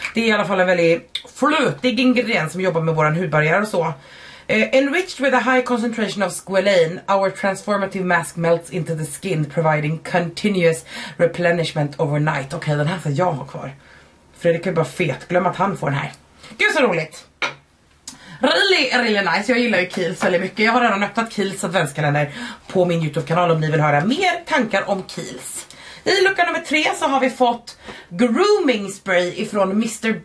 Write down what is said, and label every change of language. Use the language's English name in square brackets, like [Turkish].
[Swedish] Det är i alla fall en väldigt flötig ingrediens som jobbar med våran hudbarriär och så. [English] Enriched with a high concentration of squalene, our transformative mask melts into the skin, providing continuous replenishment overnight. [Swedish] Okej, den här ska jag ha kvar. Fredrik är bara fet, glöm att han får den här. Gud så roligt! [English] Really, really nice, [Swedish] jag gillar ju Kiehl's väldigt mycket. Jag har redan öppnat Kiehl's adventskalender på min YouTube-kanal om ni vill höra mer tankar om Kiehl's. I lucka nummer 3 så har vi fått grooming spray ifrån Mr.